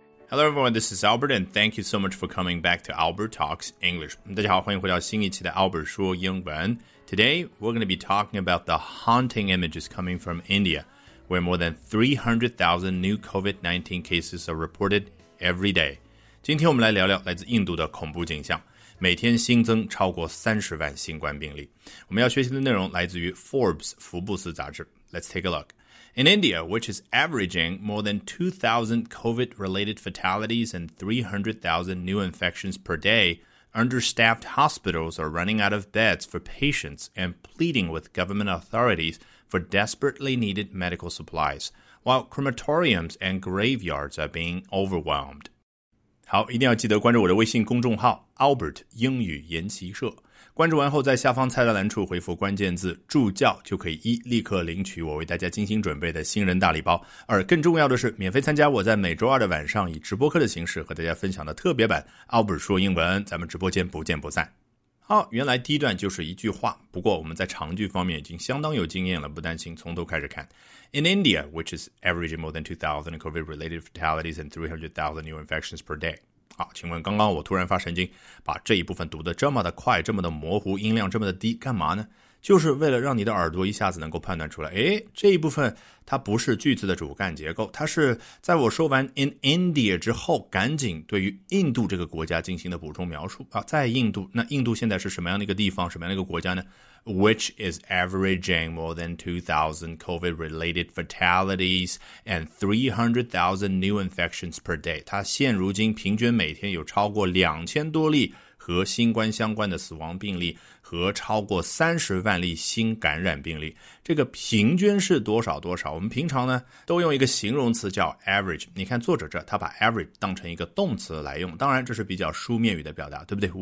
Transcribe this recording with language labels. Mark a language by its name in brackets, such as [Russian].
[English] Hello everyone, this is Albert and thank you so much for coming back to Albert Talks English. [Chinese] 大家好，欢迎回到新一期的 Albert 说英文。 [English] Today, we're going to be talking about the haunting images coming from India, where more than 300,000 new COVID-19 cases are reported every day. [Chinese] 今天我们来聊聊来自印度的恐怖景象，每天新增超过30万新冠病例。我们要学习的内容来自于 Forbes 福布斯杂志。 [English] Let's take a look. In India, which is averaging more than 2,000 COVID-related fatalities and 300,000 new infections per day, understaffed hospitals are running out of beds for patients and pleading with government authorities for desperately needed medical supplies, while crematoriums and graveyards are being overwhelmed. [Chinese] 好，一定要记得关注我的微信公众号 Albert 英语研习社。关注完后在下方菜单栏处回复关键字助教，就可以一立刻领取我为大家精心准备的新人大礼包，而更重要的是免费参加我在每周二的晚上以直播课的形式和大家分享的特别版 Albert 说英文，咱们直播间不见不散。好，原来第一段就是一句话，不过我们在长句方面已经相当有经验了，不担心，从头开始看。 [English] In India, which is averaging more than 2,000 COVID-related fatalities and 300,000 new infections per day. [Chinese] 好，请问刚刚我突然发神经，把这一部分读得这么的快，这么的模糊，音量这么的低，干嘛呢？就是为了让你的耳朵一下子能够判断出来，诶，这一部分它不是句子的主干结构，它是在我说完 [English] in India [Chinese] 之后，赶紧对于印度这个国家进行的补充描述啊，在印度，那印度现在是什么样的一个地方，什么样的一个国家呢？ [English] Which is averaging more than 2,000 COVID-related fatalities and 300,000 new infections per day. [Chinese] 它现如今平均每天有超过2000多例和新冠相关的死亡病例和超过30万例新感染病例，这个平均是多少多少？我们平常呢都用一个形容词叫 average， 你看作者这他把 average 当成一个动词来用，当然这是比较书面语的表达，对不对？